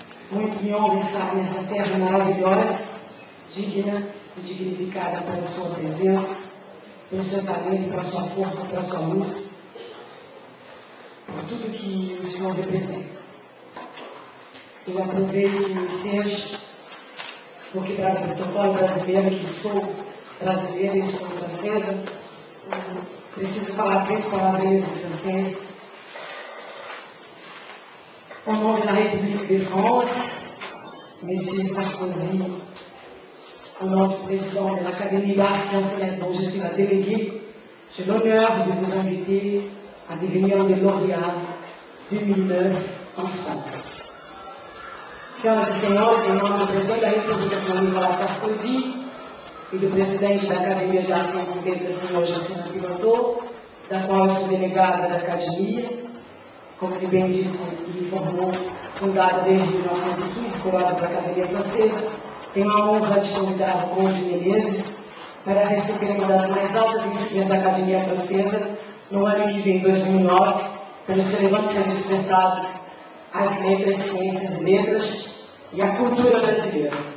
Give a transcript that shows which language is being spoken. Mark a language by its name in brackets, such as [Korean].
[Portuguese] Muito me honra estar nessa terra maravilhosa, digna e dignificada pela sua presença, pelo seu talento, pela sua força, pela sua luz, por tudo que o Senhor representa. Eu aproveito que me seja, porque para o protocolo brasileiro, que sou brasileira e sou francesa, preciso falar três palavras em francês. [French] Au nom de la République de France, Monsieur Sarkozy, au nom du président de l'Académie des sciences, dont je suis la déléguée, j'ai l'honneur de vous inviter à devenir le lauréat 2009 en France. [Portuguese] Senhoras e senhores, em nome do presidente da República, Sr. Nicolas Sarkozy, e do presidente da Academia de Ações e Letras, Sr. Jacinto Pivotô, da qual eu sou delegada da Academia, como ele bem disse e informou, fundada desde 1915, colada para a Academia Francesa, tenho a honra de convidar o Conde Menezes para receber uma das mais altas insígnias da Academia Francesa no ano que vem, 2009, pelos relevantes serviços prestados às letras, ciências, letras e à cultura brasileira.